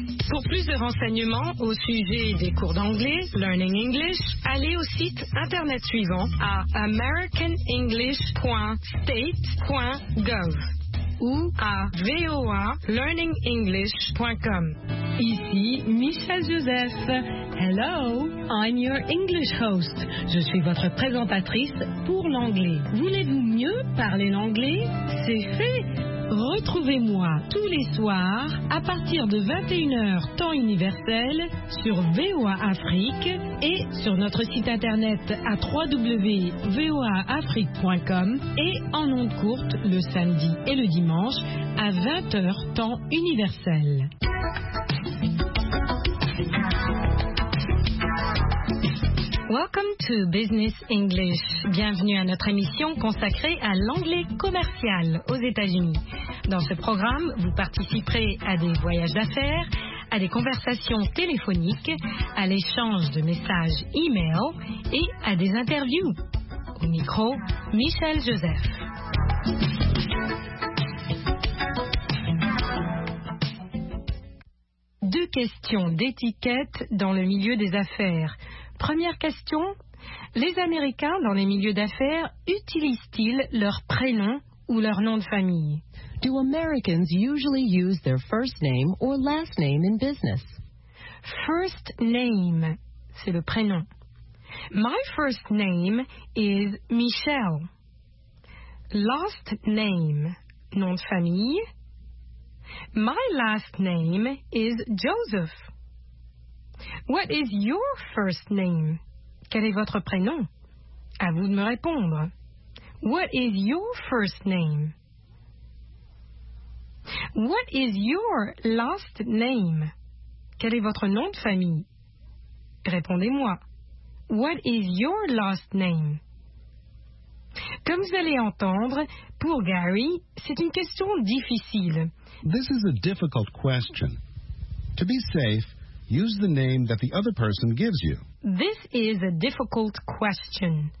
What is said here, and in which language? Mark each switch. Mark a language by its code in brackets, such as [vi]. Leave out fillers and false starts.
[fr] Pour plus de renseignements au sujet des cours d'anglais, Learning English, allez au site internet suivant à americanenglish.state.gov ou à voalearningenglish.com. Ici Michel Joseph. [en] Hello, I'm your English host. [fr] Je suis votre présentatrice pour l'anglais. Voulez-vous mieux parler l'anglais? C'est fait! Retrouvez-moi tous les soirs à partir de 21h temps universel sur VOA Afrique et sur notre site internet à www.voaafrique.com et en ondes courtes le samedi et le dimanche à 20h temps universel. [en] Welcome to Business English. [fr] Bienvenue à notre émission consacrée à l'anglais commercial aux États-Unis. Dans ce programme, vous participerez à des voyages d'affaires, à des conversations téléphoniques, à l'échange de messages e-mail et à des interviews. Au micro, Michel Joseph. Deux questions d'étiquette dans le milieu des affaires. Première question, les Américains dans les milieux d'affaires utilisent-ils leur prénom ou leur nom de famille? [en] Do Americans usually use their first name or last name in business? [fr] First name, c'est le prénom. [en] My first name is Michel. [fr] Last name, nom de famille. [en] My last name is Joseph. What is your first name? [fr] Quel est votre prénom? À vous de me répondre. [en] What is your first name? What is your last name? [fr] Quel est votre nom de famille? Répondez-moi. [en] What is your last name? [fr] Comme vous allez entendre, pour Gary, c'est une question difficile. [en] This is a difficult question. To be safe, use the name that the other person gives you. This is a difficult question.